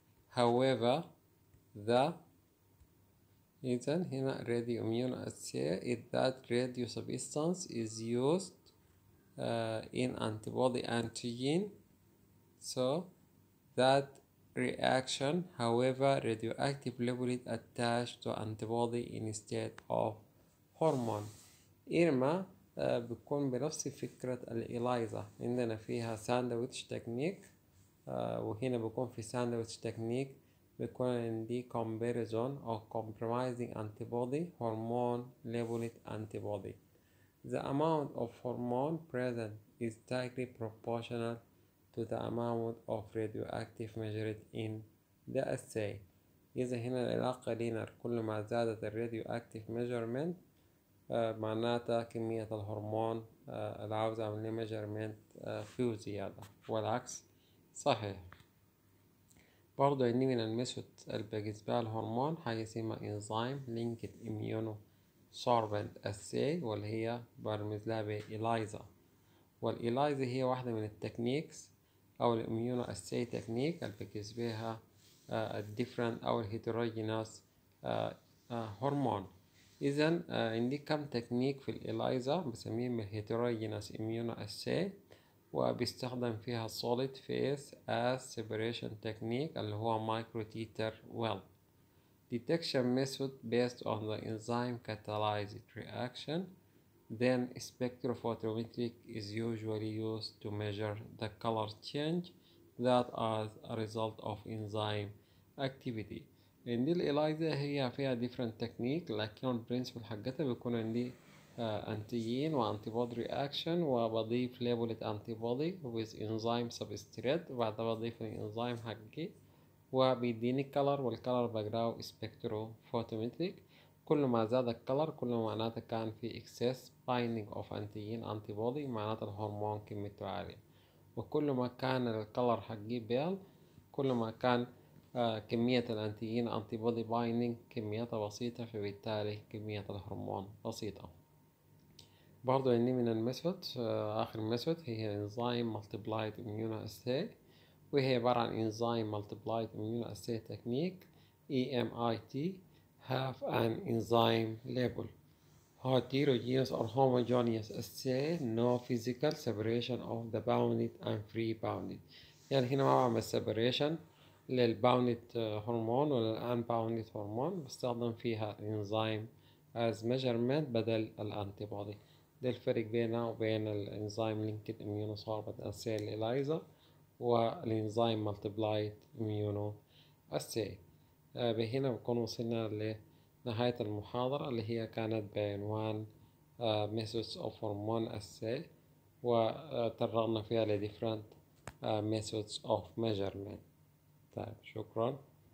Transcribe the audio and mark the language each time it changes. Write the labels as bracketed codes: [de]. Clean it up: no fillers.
[en] However, هنا radio immunoassay is that radio substance is used in antibody antigen, so that reaction however radioactive labeled attached to antibody instead of hormone. [ar] IRMA بيكون بنفس فكرة الإليزا, عندنا فيها ساندويتش تكنيك, وهنا بيكون في ساندويتش تكنيك بيكون عندي [en] comparison of compromising antibody hormone labeled antibody. The amount of hormone present is directly proportional to the amount of radioactive measured in the assay. [ar] إذا هنا العلاقة لينر, كل ما زادت الradioactive measurement معناتها كمية الهرمون العاوز عملية measurement فيه زيادة, والعكس صحيح. برضو عندي من المسوت بالنسبة للهرمون حاجة اسمها enzyme linked immuno Sorbent assay واللي هي برمز لها بإليزا, والإليزا هي واحدة من التكنيكس أو الإميونو أسي تكنيك اللي بقيس بها الديفرنت أو الهيتروجينوس هرمون. إذن عندي كم تكنيك في الإليزا بسميهم الهيتروجينوس إميونو أسي, وبيستخدم فيها solid phase as separation technique اللي هو مايكرو تيتر ويل. [en] Detection method based on the enzyme catalyzed reaction, then spectrophotometry is usually used to measure the color change that are a result of enzyme activity. In the ELISA, [ar] هي فيها different technique, لكن principle حقتها بيكون عندي antigen و antibody reaction, وبضيف [en] labeled antibody with enzyme substrate, [ar] وبعدها بضيف enzyme حقي وبيديني color, والcolor بقراه spectrophotometric. كل ما زاد color كل ما معناته كان في [en] excess binding of antigen antibody [ar] معناته الهرمون كميته عالية, وكل ما كان color حقي بيل كل ما كان كمية الانتيجين antibody binding كميته بسيطة, فبالتالي كمية الهرمون بسيطة. برضو عندي من المسود آخر مسود هي [en] enzyme multiplied immunoassay, [ar] وهي عبارة عن [en] enzyme multiplied immunoassay technique EMIT have an enzyme label heterogeneous or homogeneous assay no physical separation of the bounded and free bounded. [ar] يعني هنا ما بعمل separation للbounded hormone وللunbounded hormone, بستخدم فيها enzyme as measurement بدل الانتيبودي. ده الفرق بينها وبين الانزيم linked immunosorbent assay ELISA والإنزيم Multiplied Immunoassay. بهنا بكون وصلنا لنهاية المحاضرة اللي هي كانت بعنوان [en] methods of hormone assay, [ar] وتطرقنا فيها لـ [en] different methods of measurement. [ar] طيب شكرا.